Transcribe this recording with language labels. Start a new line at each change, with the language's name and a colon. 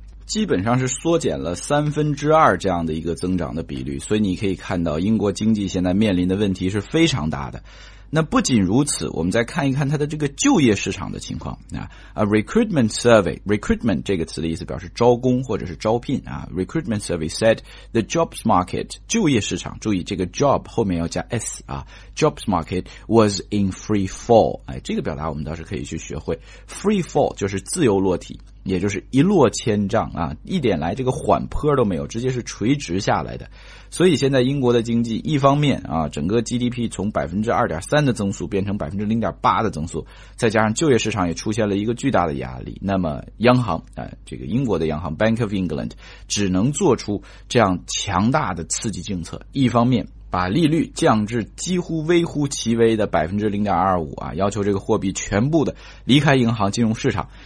Chinese: 基本上是缩减了三分之二这样的一个增长的比率，所以你可以看到英国经济现在面临的问题是非常大的。那不仅如此，我们再看一看它的这个就业市场的情况啊。
English: A recruitment survey,
Chinese: recruitment 这个词的意思表示招工或者是招聘啊。
English: Recruitment survey said the jobs market,
Chinese: 就业市场，注意这个 job 后面要加 s 啊。
English: Jobs market was in free fall,
Chinese: 哎，这个表达我们倒是可以去学会。 Free fall 就是自由落体，也就是一落千丈啊，一点来这个缓坡都没有，直接是垂直下来的。所以现在英国的经济一方面啊，整个 GDP 从 2.3% 的增速变成 0.8% 的增速，再加上就业市场也出现了一个巨大的压力，那么央行啊，这个英国的央行 Bank of England 只能做出这样强大的刺激政策，一方面把利率降至几乎微乎其微的 0.25% 啊，要求这个货币全部的离开银行金融市场，